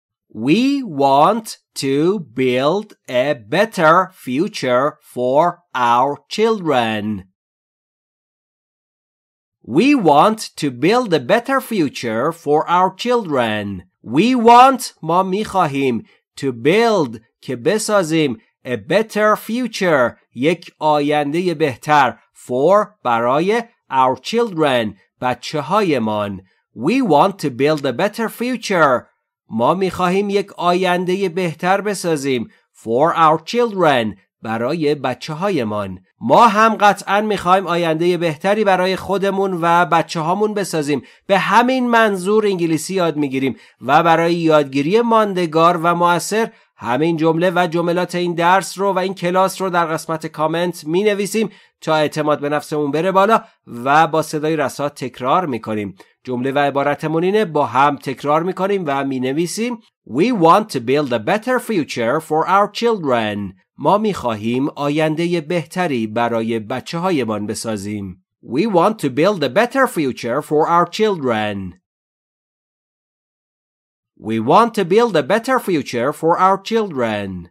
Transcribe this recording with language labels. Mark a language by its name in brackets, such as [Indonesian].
[English] We want to build a better future for our children. We want to build a better future for our children. We want, [Persian] ما میخواهیم, [English] to build, [Persian] که بسازیم, [English] a better future, [Persian] یک آینده بهتر, For, برای, [English] our children, [Persian] بچه های من. [English] We want to build a better future. [Persian] ما می خواهیم یک آینده بهتر بسازیم. [English] For our children, [Persian] برای بچه هایمان. ما هم قطعا میخواییم آینده بهتری برای خودمون و بچه هامون بسازیم. به همین منظور انگلیسی یاد میگیریم و برای یادگیری ماندگار و مؤثر همین جمله و جملات این درس رو و این کلاس رو در قسمت کامنت می نویسیم تا اعتماد به نفسمون بره بالا و با صدای رسا تکرار می کنیم. جمله و عبارتمون اینه، با هم تکرار می کنیم و می نویسیم: [English] We want to build a better future for our children. [Persian] ما می خواهیم آینده بهتری برای بچه هایمان بسازیم. [English] We want to build a better future for our children. We want to build a better future for our children.